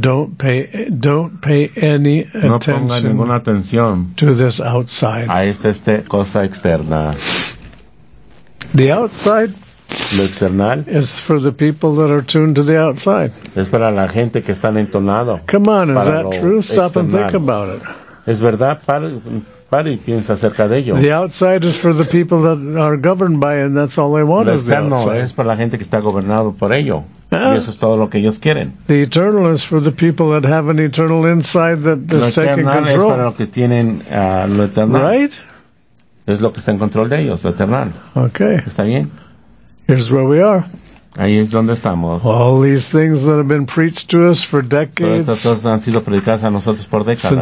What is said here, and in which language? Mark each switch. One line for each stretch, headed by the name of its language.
English: Don't pay any
Spanish: no ponga ninguna atención
English: to this outside.
Spanish: A esta cosa externa.
English: The outside
Spanish: lo external
English: is for the people that are tuned to the outside.
Spanish: Es para la gente que están entonado.
English: Come on, is that true?
Spanish: External.
English: Stop and think about it.
Spanish: Es verdad, pare y piensa acerca de ello.
English: The outside is for the people that are governed by it, and that's all they want
Spanish: lo
English: is the outside.
Spanish: Es para la gente que está gobernado por ello. Y eso es todo lo que ellos quieren.
English: The eternal is for the people that have an eternal inside that
Spanish: lo
English: is taking control.
Spanish: Es para lo que tienen, lo eternal.
English: Right?
Spanish: Es lo que está en control de ellos, lo eternal.
English: Okay.
Spanish: ¿Está bien?
English: Here's where we are.
Spanish: Ahí es donde estamos.
English: All these things that have been preached to us for decades.
Spanish: Todas estas cosas han sido predicadas a nosotros por décadas.